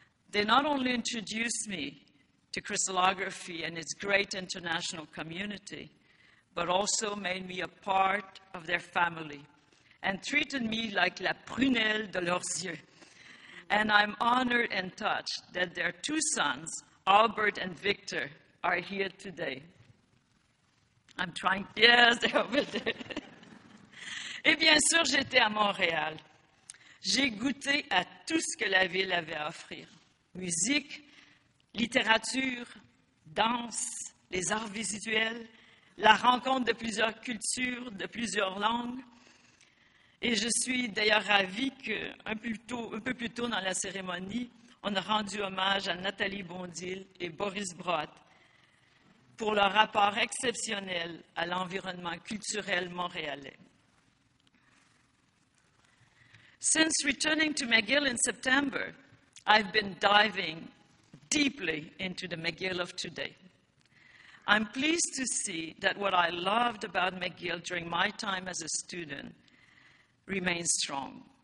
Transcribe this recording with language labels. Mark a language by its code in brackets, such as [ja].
[en] They not only introduced me to crystallography and its great international community, but also made me a part of their family and treated me like [fr] la prunelle de leurs yeux. [en] And I'm honored and touched that their two sons, Albert and Victor, are here today. I'm trying, yes, they're over there. [fr] Et bien sûr, j'étais à Montréal. J'ai goûté à tout ce que la ville avait à offrir. Musique, littérature, danse, les arts visuels, la rencontre de plusieurs cultures, de plusieurs langues. Et je suis d'ailleurs ravie qu'un peu plus tôt dans la cérémonie, on a rendu hommage à Nathalie Bondil et Boris Brotte pour leur rapport exceptionnel à l'environnement culturel montréalais. [en] Since returning to McGill in September, I've been diving deeply into the McGill of today. I'm pleased to see that what I loved about McGill during my time as a student remains strong.